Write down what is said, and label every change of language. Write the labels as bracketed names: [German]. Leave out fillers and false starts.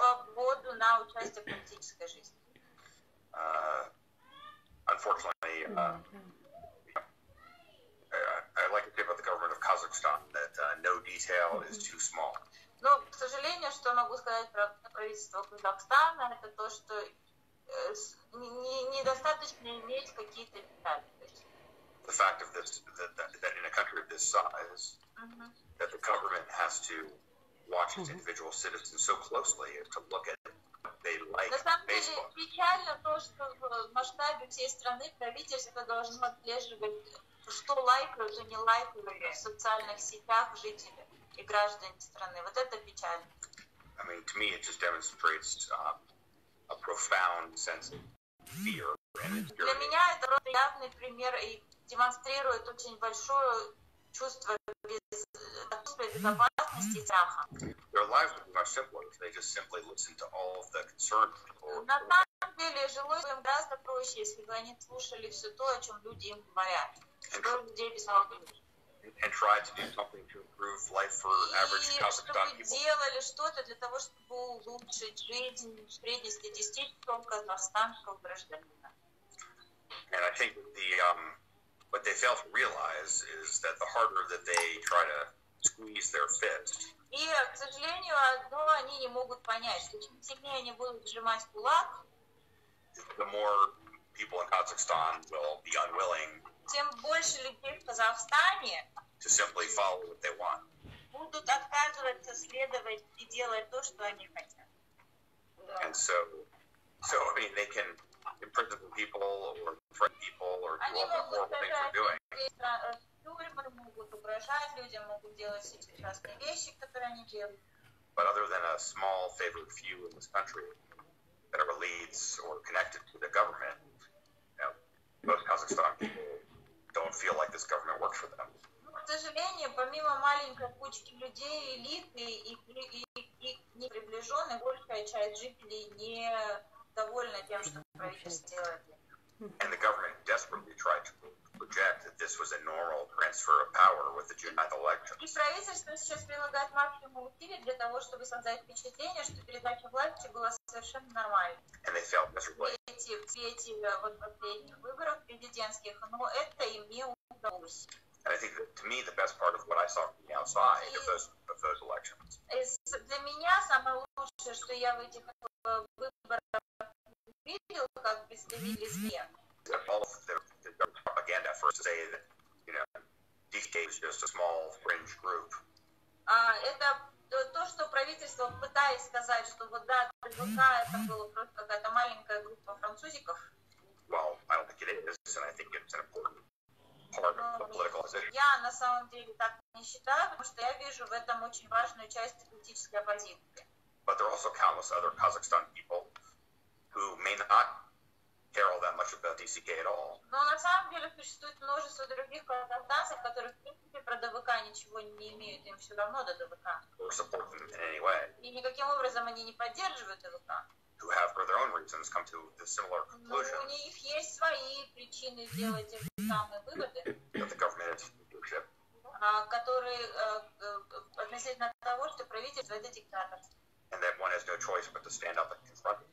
[Russian] И свободу на участие в политической жизни. [English] unfortunately, I like to say about the government of Kazakhstan that no detail is too small. [Russian] Но, к сожалению, что могу сказать про правительство Казахстана, это то, что недостаточно иметь какие-то детали. [English] The fact of this, that in a country of this size, that the government has to watch its individual citizens so closely to look at what they like. [Russian] На самом деле печально то, что в масштабе всей страны правительство должно отслеживать, что лайкают, что не лайкают в социальных сетях жителей. И граждане страны. Вот это печально. [English] I mean, to me, it just demonstrates a profound sense of fear. [Russian] Для меня это явный пример и демонстрирует очень большое чувство безопасности и страха. [English] Their lives would be much simpler if they just simply listen to all of the concerns. [Russian] На самом деле, жилось бы им гораздо проще, если бы они слушали все то, о чем люди им говорят. Что людей беспокоит. [English] And try to do something to improve life for average Kazakhstan people. [Russian] Делали что-то для того, чтобы улучшить жизнь среднестатистического казахстанского гражданина. [English] And I think the what they fail to realize is that the harder that they try to squeeze their fist. [Russian] И, к сожалению, одно они не могут понять, что чем сильнее они будут сжимать кулак, [English] the more people in Kazakhstan will be unwilling. [Russian] Тем больше людей в Казахстане [English] to simply follow what they want. [Russian] Будут отказываться следовать и делать то, что они хотят. [English] And so, I mean, they can imprison people or threaten people or do all the horrible things they're doing. [Russian] Тюрьмы могут угрожать людям, могут делать все эти ужасные вещи, которые они делают. [English] But other than a small favored few in this country that are elites or connected to the government, you know, most Kazakhstan people don't feel like this government works for them. [Russian] К сожалению, помимо маленькой кучки людей, элиты и неприближенных, большая часть жителей не довольна тем, что правительство делает. [English] And the government desperately tried to project that this was a normal transfer of power with the June 9th elections. [Russian] И правительство сейчас прилагает максимум усилий для того, чтобы создать впечатление, что передача власти была совершенно нормальной. [English] And they failed miserably. [Russian] В эти вот последних выборах президентских, но это им не удалось. [English] And I think that, to me, the best part of what I saw from the outside of those elections. [Russian] Для меня самое лучшее, что я в этих выборах видел, как представили СМИ. [English] All of their propaganda first say that, you know, DK is just a small fringe group. [Russian] Это то, что правительство пытается сказать, что вот да, ДВК это была просто какая-то маленькая группа французиков. [English] Well, I don't think it is, and I think it's an important part of the political position. [Russian] Я на самом деле так не считаю, потому что я вижу в этом очень важную часть политической оппозиции. [English] But there are also countless other Kazakhstan people who may not care all that much about DCK at all. [Russian] Но на самом деле существует множество других казахстанцев, которые в принципе про ДВК ничего не имеют, им все равно до ДВК. [English] Or support them in any way. [Russian] И никаким образом они не поддерживают ДВК. [English] Who have for their own reasons come to the similar conclusion. [Russian] Но у них есть свои причины сделать эти самые выводы. [English] That the government is dictatorship. [Russian] Которые относительно того, что правительство это диктатор. [English] And that one has no choice but to stand up and confront it.